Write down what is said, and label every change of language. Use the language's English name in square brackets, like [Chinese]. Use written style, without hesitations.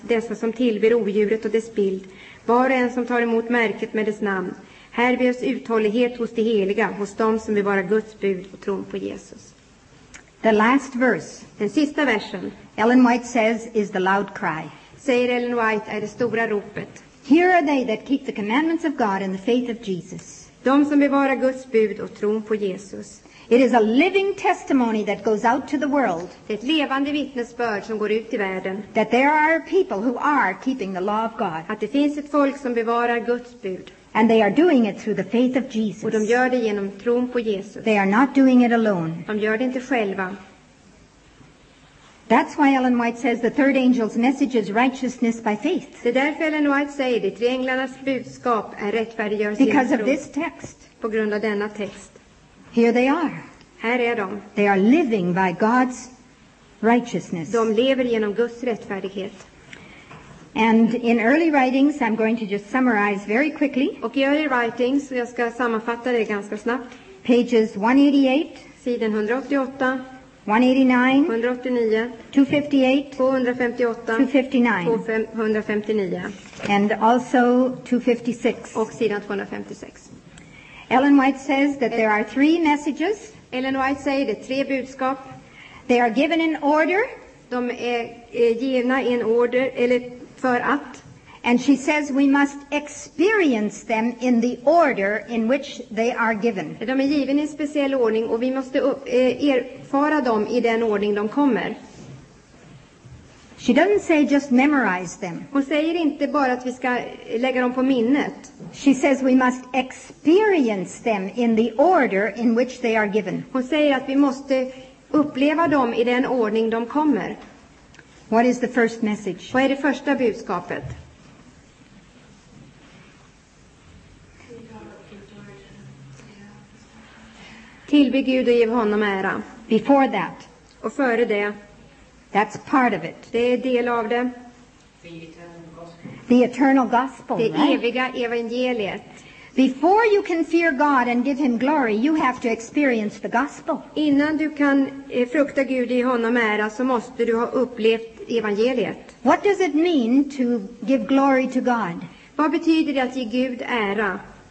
[Swedish] Dessa som tillber odjuret och dess bild. Var en som tar emot märket med dess namn. Här behövs uthållighet hos de heliga. Hos dem som vill vara Guds bud och tron på Jesus. [English] The last verse. [Swedish] Den sista versen. [English] Ellen White says is the loud cry. [Swedish] Säger Ellen White är det stora ropet. [English] Here are they that keep the commandments of God and the faith of Jesus. [Swedish] De som bevarar Guds bud och tron på Jesus. [English] It is a living testimony that goes out to the world. [Swedish] Det är ett levande vittnesbörd som går ut i världen. [English] That there are people who are keeping the law of God. [Swedish] Att det finns ett folk som bevarar Guds bud. [English] And they are doing it through the faith of Jesus. [Swedish] Och de gör det genom tron på Jesus. [English] They are not doing it alone. [Swedish] De gör det inte själva. [English] That's why Ellen White says the third angel's message is righteousness by faith. [Swedish] Det är därför Ellen White säger det, tre änglarnas budskap är rättfärdiggörelse genom tro. [English] Because of this text. [Swedish] På grund av denna text. [English] Here they are. [Swedish] Här är de. [English] They are living by God's righteousness. [Swedish] De lever genom Guds rättfärdighet. [English] And in early writings, I'm going to just summarize very quickly. [Swedish] Och i early writings, jag ska sammanfatta det ganska snabbt. [English] Pages 188. [Swedish] Sidan 188. 189, 159, 258, 259, 259, [English] and also [Swedish] 256. Och sidan 256. [English] Ellen White says that there are three messages. [Swedish] Ellen White säger det är tre budskap. [English] They are given in order. [Swedish] De är givna i en order eller för att. [English] And she says we must experience them in the order in which they are given. [Swedish] De är givna i en speciell ordning och vi måste erfara dem i den ordning de kommer. [English] She doesn't say just memorize them. [Swedish] Hon säger inte bara att vi ska lägga dem på minnet. [English] She says we must experience them in the order in which they are given. [Swedish] Hon säger att vi måste uppleva dem i den ordning de kommer. [English] What is the first message? [Swedish] Vad är det första budskapet? Tillbe Gud och ge honom ära. [English] Before that. [Swedish] Och före det. [English] That's part of it. [Swedish] Det är del av det. [English] The eternal gospel. [Swedish] Det [English] right? [Swedish] Eviga evangeliet. [English] Before you can fear God and give him glory, you have to experience the gospel. [Swedish] Innan du kan frukta Gud och ge honom ära så måste du ha upplevt evangeliet. [English] What does it mean to give glory to God? [Swedish] Vad betyder det att ge Gud ära?